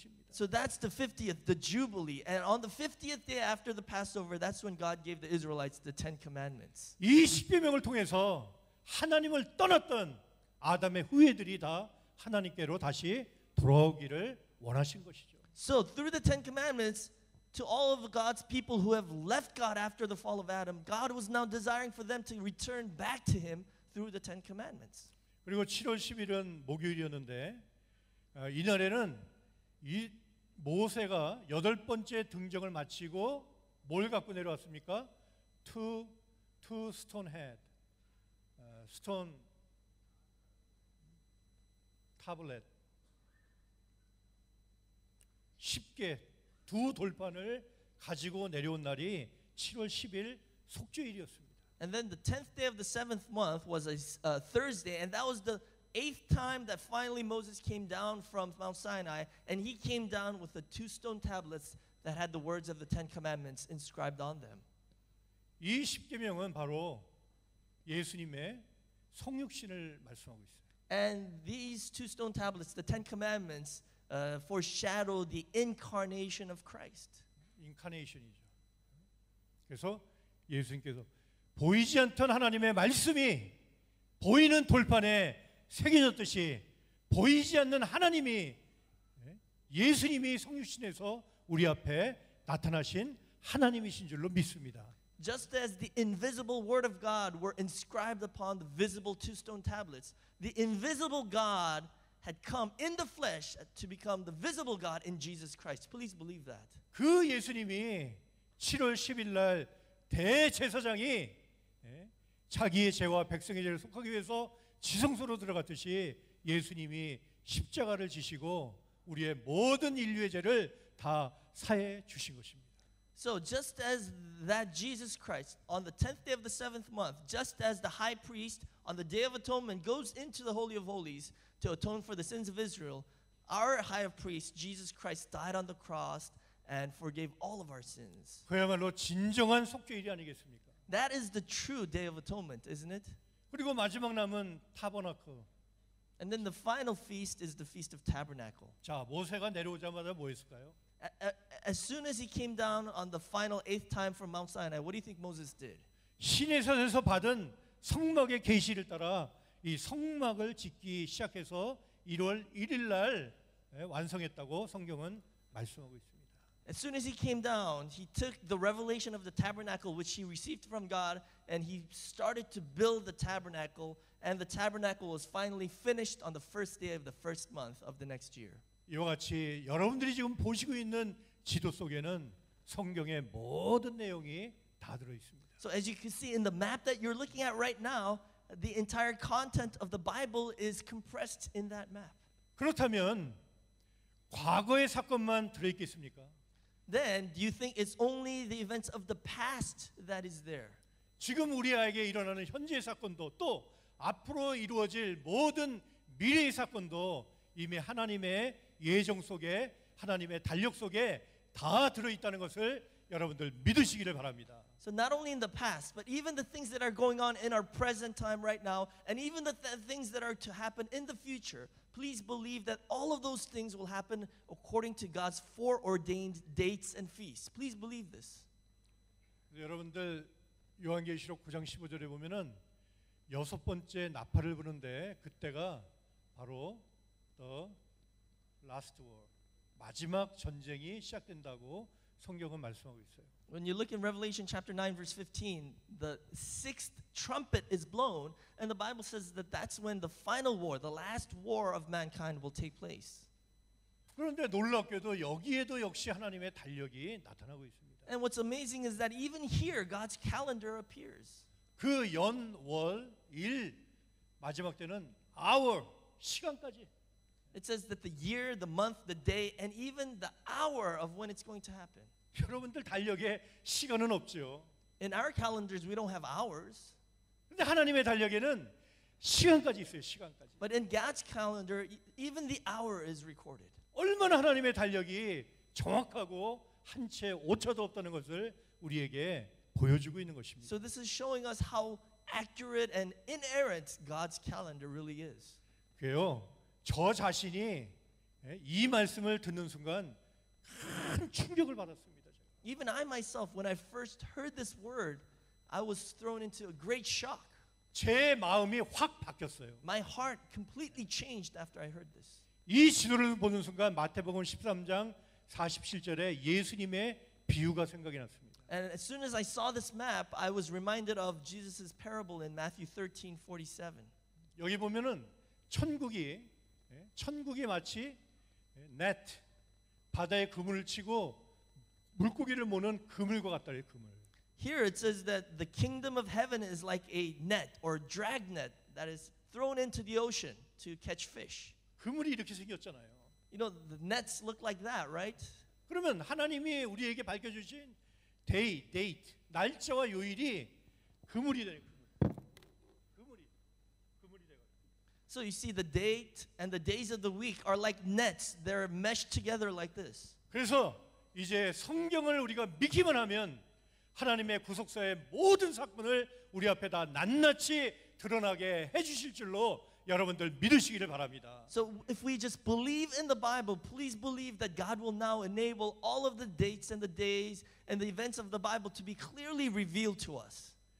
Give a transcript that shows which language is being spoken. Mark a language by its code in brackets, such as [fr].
[en] So that's the 50th, the Jubilee. And on the 50th day after the Passover, that's when God gave the Israelites the Ten Commandments. [ko] 이 십계명을 통해서 하나님을 떠났던 아담의 후예들이 다 하나님께로 다시 돌아오기를 원하신 것이죠. [en] So through the Ten Commandments, to all of God's people who have left God after the fall of Adam, God was now desiring for them to return back to him through the Ten Commandments. [ko] 그리고 7월 10일은 목요일이었는데 이날에는 이 모세가 여덟 번째 등정을 마치고 뭘 갖고 내려왔습니까? [en] Two stone head, stone tablet, [ko] 쉽게 두 돌판을 가지고 내려온 날이 7월 10일 속죄일이었습니다. [en] And then the 10th day of the 7th month was a Thursday, and that was the 8th time that finally Moses came down from Mount Sinai, and he came down with the two stone tablets that had the words of the Ten Commandments inscribed on them. [ko] 이 십계명은 바로 예수님의 성육신을 말씀하고 있어요. [en] And these two stone tablets, the Ten Commandments, foreshadow the incarnation of Christ. [ko] Incarnation이죠. 그래서 예수님께서 보이지 않던 하나님의 말씀이 보이는 돌판에 새겨졌듯이 보이지 않는 하나님이 예수님이 성육신에서 우리 앞에 나타나신 하나님이신 줄로 믿습니다. [en] Just as the invisible word of God were inscribed upon the visible two stone tablets, the invisible God had come in the flesh to become the visible God in Jesus Christ. Please believe that. [ko] 그 예수님이 7월 10일 날 대제사장이 자기의 죄와 백성의 죄를 속하기 위해서 지성소로 들어갔듯이 예수님이 십자가를 지시고 우리의 모든 인류의 죄를 다 사해 주신 것입니다. [en] So just as that Jesus Christ on the 10th day of the 7th month, just as the high priest on the Day of Atonement goes into the Holy of Holies to atone for the sins of Israel, our high priest Jesus Christ died on the cross and forgave all of our sins. [ko] 그야말로 진정한 속죄일이 아니겠습니까? [en] That is the true Day of Atonement, isn't it? [ko] 그리고 마지막 남은 타버나클. [en] And then the final feast is the Feast of Tabernacle. [ko] 자, 모세가 내려오자마자 뭐 했을까요? [en] As soon as he came down on the final 8th time from Mount Sinai, what do you think Moses did? [ko] 시내산에서 받은 성막의 계시를 따라 이 성막을 짓기 시작해서 1월 1일 날 완성했다고 성경은 말씀하고 있습니다. [en] As soon as he came down, he took the revelation of the tabernacle which he received from God and he started to build the tabernacle and the tabernacle was finally finished on the first day of the first month of the next year. [ko] 이와 같이 여러분들이 지금 보시고 있는 지도 속에는 성경의 모든 내용이 다 들어 있습니다. [en] So as you can see in the map that you're looking at right now, the entire content of the Bible is compressed in that map. [ko] 그렇다면 과거의 사건만 들어 있겠습니까? [en] Then do you think it's only the events of the past that is there? [ko] 지금 우리에게 일어나는 현재의 사건도 또 앞으로 이루어질 모든 미래의 사건도 이미 하나님의 예정 속에 하나님의 달력 속에 다 들어 있다는 것을 여러분들 믿으시기를 바랍니다. [en] So not only in the past, but even the things that are going on in our present time right now, and even the things that are to happen in the future, please believe that all of those things will happen according to God's foreordained dates and feasts. Please believe this. [ko] 여러분들 요한계시록 9장 15절에 보면은 여섯 번째 나팔을 부는데 그때가 바로 더 [en] Last war, [ko] 마지막 전쟁이 시작된다고 성경은 말씀하고 있어요. [en] When you look in Revelation chapter 9 verse 15, the sixth trumpet is blown, and the Bible says that that's when the final war, the last war of mankind, will take place. [ko] 그런데 놀랍게도 여기에도 역시 하나님의 달력이 나타나고 있습니다. [en] And what's amazing is that even here, God's calendar appears. [ko] 그 연, 월, 일, 마지막 때는 hour, 시간까지. [en] It says that the year, the month, the day, and even the hour of when it's going to happen. [ko] 여러분들 달력에 시간은 없죠. [en] In our calendars, we don't have hours. [ko] 근데 하나님의 달력에는 시간까지 있어요. 시간까지. [en] But in God's calendar, even the hour is recorded. [ko] 얼마나 하나님의 달력이 정확하고 한 채 오차도 없다는 것을 우리에게 보여주고 있는 것입니다. [en] So this is showing us how accurate and inerrant God's calendar really is. [ko] 그래요. 저 자신이 이 말씀을 듣는 순간 큰 충격을 받았습니다. [en] Even I myself, when I first heard this word, I was thrown into a great shock. [ko] 제 마음이 확 바뀌었어요. [en] My heart completely changed after I heard this. [ko] 이 지도를 보는 순간 마태복음 13장 47절에 예수님의 비유가 생각이 났습니다. [en] And as soon as I saw this map, I was reminded of Jesus' parable in Matthew 13:47. [ko] 여기 보면은 천국이 천국이 마치 net 바다에 그물을 치고 물고기를 모는 그물과 같다 이 그물. [en] Here it says that the kingdom of heaven is like a net or dragnet that is thrown into the ocean to catch fish. [ko] 그물이 이렇게 생겼잖아요. [en] you know, the nets look like that, right? [ko] 그러면 하나님이 우리에게 밝혀주신 데이, 데이트, 날짜와 요일이 그물이 돼요. [en] So you see, the date and the days of the week are like nets. They're meshed together like this. [ko] 그래서 이제 성경을 우리가 믿기만 하면 하나님의 구속사의 모든 사건을 우리 앞에 다 낱낱이 드러나게 해주실 줄로 여러분들 믿으시기를 바랍니다. [en] So if we just believe in the Bible, please believe that God will now enable all of the dates and the days and the events of the Bible to be clearly revealed to us.